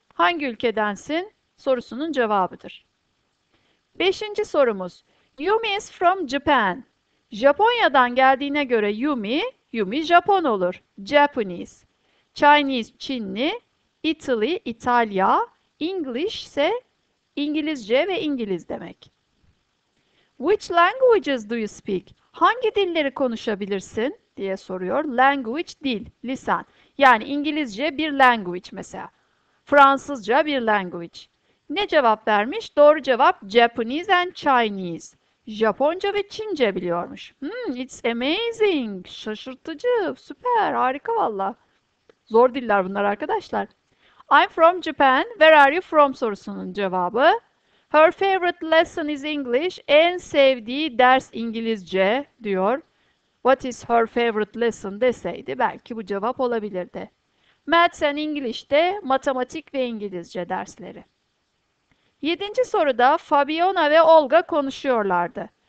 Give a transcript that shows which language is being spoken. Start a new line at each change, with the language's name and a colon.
Turkish: Hangi ülkedensin? Sorusunun cevabıdır. Beşinci sorumuz.
English: Yumi is from Japan.
Turkish: Japonya'dan geldiğine göre Yumi Japon olur. Japanese. Chinese, Çinli. Italy, İtalya. English ise İngilizce ve İngiliz demek.
English: Which languages do you speak?
Turkish: Hangi dilleri konuşabilirsin? Diye soruyor. Language, dil, lisan. Yani İngilizce bir language mesela. Fransızca bir language. Ne cevap vermiş? Doğru cevap
English: Japanese and Chinese.
Turkish: Japonca ve Çince biliyormuş.
English: It's amazing.
Turkish: Şaşırtıcı. Süper. Harika valla. Zor diller bunlar arkadaşlar.
English: I'm from Japan. Where are you from
Turkish: sorusunun cevabı.
English: Her favorite lesson is English.
Turkish: En sevdiği ders İngilizce diyor.
English: What is her favorite lesson
Turkish: deseydi belki bu cevap olabilirdi.
English: Maths and English'te
Turkish: matematik ve İngilizce dersleri. Yedinci soruda Fabiona ve Olga konuşuyorlardı.